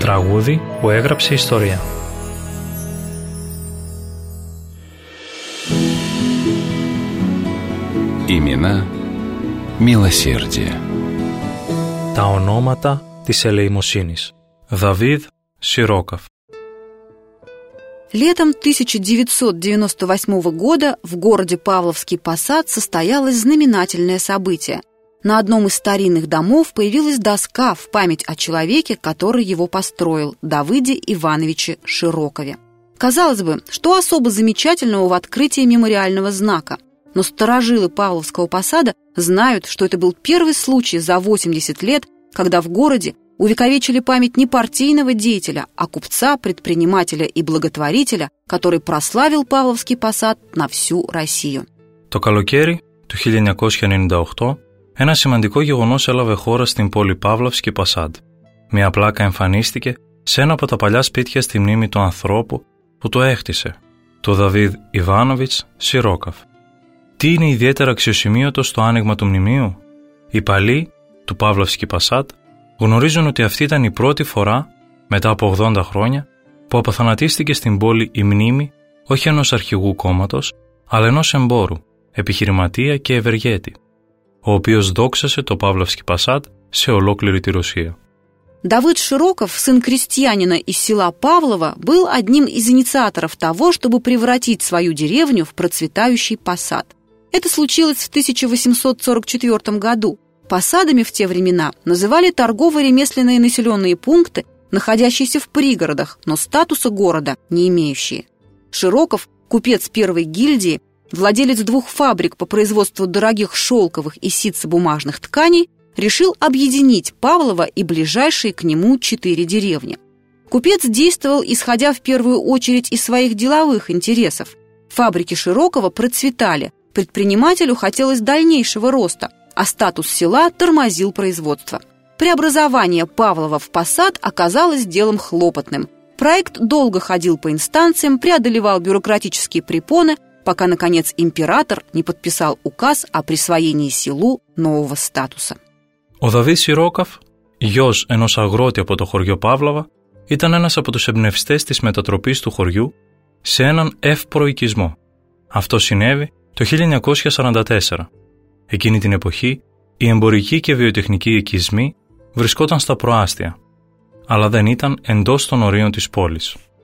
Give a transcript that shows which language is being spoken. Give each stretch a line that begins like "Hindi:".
Greek: Трагуди, που έγραψε ιστορία.
Russian: Имена милосердия.
Greek: Τα ονόματα της ελεημοσύνης.
Russian: Давид Сироков. Летом 1998 года в городе Павловский Посад состоялось знаменательное событие. На одном из старинных домов появилась доска в память о человеке, который его построил, Давиде Ивановиче Широкове. Казалось бы, что особо замечательного в открытии мемориального знака? Но старожилы Павловского Посада знают, что это был первый случай за 80 лет, когда в городе увековечили память не партийного деятеля, а купца, предпринимателя и благотворителя, который прославил Павловский Посад на всю Россию.
Greek: Το καλοκαίρι του 1998 ένα σημαντικό γεγονός έλαβε χώρα στην πόλη Παύλαυσκη Πασάντ. Μια πλάκα εμφανίστηκε σε ένα από τα παλιά σπίτια στη μνήμη του ανθρώπου που το έκτισε, το Δαβίδ Ιβάνοβιτς Σιρόκαφ. Τι είναι ιδιαίτερα αξιοσημείωτο στο άνοιγμα του μνημείου? Οι παλιοί του Παύλαυσκη Πασάτ γνωρίζουν ότι αυτή ήταν η πρώτη φορά, μετά από 80 χρόνια, που αποθανατίστηκε στην πόλη η μνήμη όχι ενός αρχηγού κόμματος, αλλά ενός εμπόρου, επιχειρηματία και ευεργέτη, ο οποίος δόξασε το Παύλαυσκη Πασάτ σε ολόκληρη τη Ρωσία.
Russian: Давыд Широков, сын крестьянина из села Павлово, был одним из инициаторов того, чтобы превратить свою деревню в процветающий посад. Это случилось в 1844 году. Посадами в те времена называли торгово-ремесленные населенные пункты, находящиеся в пригородах, но статуса города не имеющие. Широков, купец первой гильдии, владелец двух фабрик по производству дорогих шелковых и ситцебумажных тканей, решил объединить Павлово и ближайшие к нему четыре деревни. Купец действовал, исходя в первую очередь из своих деловых интересов. Фабрики Широкова процветали, предпринимателю хотелось дальнейшего роста, а статус села тормозил производство. Преобразование Павлова в посад оказалось делом хлопотным. Проект долго ходил по инстанциям, преодолевал бюрократические препоны, пока, наконец, император не подписал указ о присвоении селу нового статуса.
Greek: Ο Δαβίδ Σιρόκαφ, γιος ενός αγρότη από το χωριό Παύλαβα, ήταν ένας από τους εμπνευστές της μετατροπής του χωριού σε έναν εύπορο οικισμό. Αυτό συνέβη το 1944. Εκείνη την εποχή, οι εμπορικοί και βιοτεχνικοί οικισμοί βρισκόταν στα προάστια, αλλά δεν ήταν εντός των ορίων της πόλης.